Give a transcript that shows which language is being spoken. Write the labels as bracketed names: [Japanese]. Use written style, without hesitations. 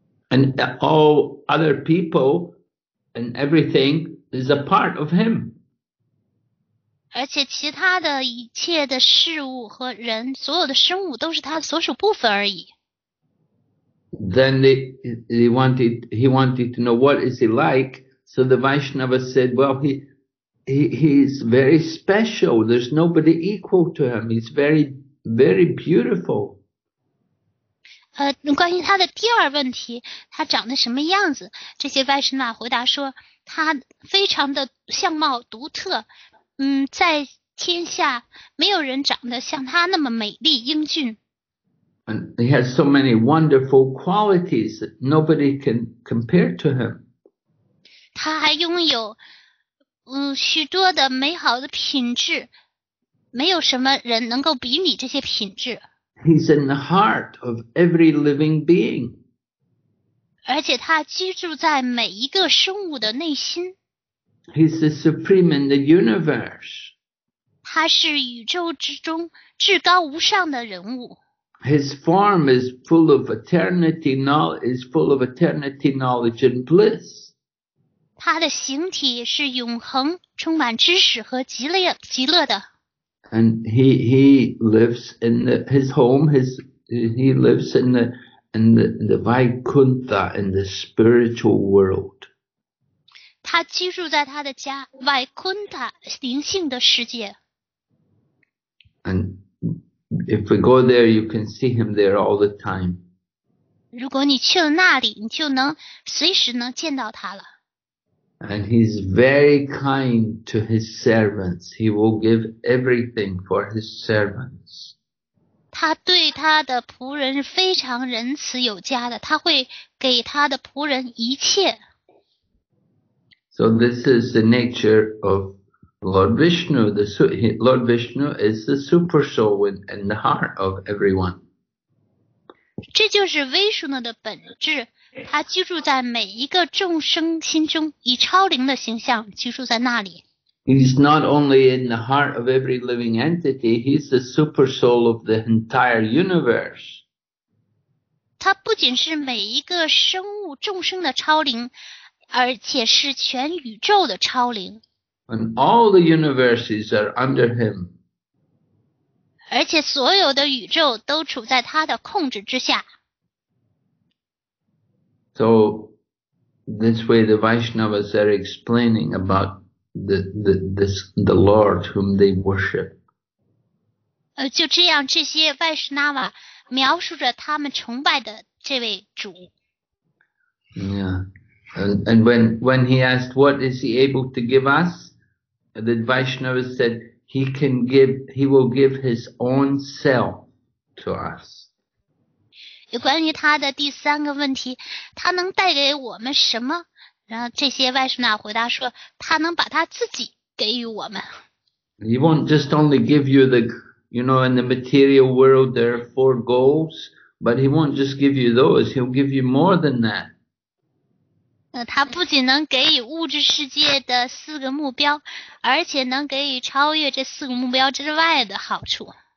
[English] And all other people and everything is a part of him. [Chinese] 而且其他的一切的事物和人，所有的生物都是它的所属部分而已。 [English] Then he wanted to know what is he like. So the Vaishnava said, well, he's very special. There's nobody equal to him. He's very, very beautiful. [Chinese] 关于他的第二问题，他长得什么样子？这些 Vaishnava 回答说，他非常的相貌独特，在天下没有人长得像他那么美丽英俊。 [English] And he has so many wonderful qualities that nobody can compare to him. [Chinese] 他还拥有，许多的美好的品质，没有什么人能够比拟这些品质。 [English] He's in the heart of every living being. [Chinese] 而且他居住在每一个生物的内心， [English] He's the supreme in the universe. [Chinese] 他是宇宙之中至高无上的人物。 [English] His form is full of eternity knowledge, is full of eternity knowledge and bliss. [Chinese] 他的形体是永恒，充满知识和极乐的。 [English] And he lives in the, his home, his he lives in the Vaikuntha in the spiritual world. [Chinese] 他居住在他的家，外昆塔灵性的世界。 [English] And if we go there, you can see him there all the time. [Chinese] 如果你去了那里，你就能随时能见到他了。 [English] And he's very kind to his servants. He will give everything for his servants. [Chinese] 他对他的仆人非常仁慈有加的，他会给他的仆人一切。 [English] So this is the nature of Lord Vishnu, Lord Vishnu is the super soul in the heart of everyone. [Chinese] 这就是维什诺的本质，他居住在每一个众生心中，以超灵的形象居住在那里。 [English] He's not only in the heart of every living entity, he's the super soul of the entire universe. [Chinese] 他不仅是每一个生物众生的超灵，而且是全宇宙的超灵， [English] And all the universes are under him. [Chinese] 而且所有的宇宙都处在他的控制之下。 [English] So this way the Vaishnavas are explaining about the Lord whom they worship. [Chinese] 就这样，这些 Vaishnava 描述着他们崇拜的这位主。 [English] Yeah. And when he asked what is he able to give us? The Vaishnava said he will give his own self to us. [Chinese] 有关于他的第三个问题，他能带给我们什么？然后这些 Vaishnava 回答说，他能把他自己给予我们。 [English] He won't just only give you the, you know, in the material world there are four goals, but he won't just give you those, he'll give you more than that. [Chinese] 他不仅能给予物质世界的四个目标，而且能给予超越这四个目标之外的好处。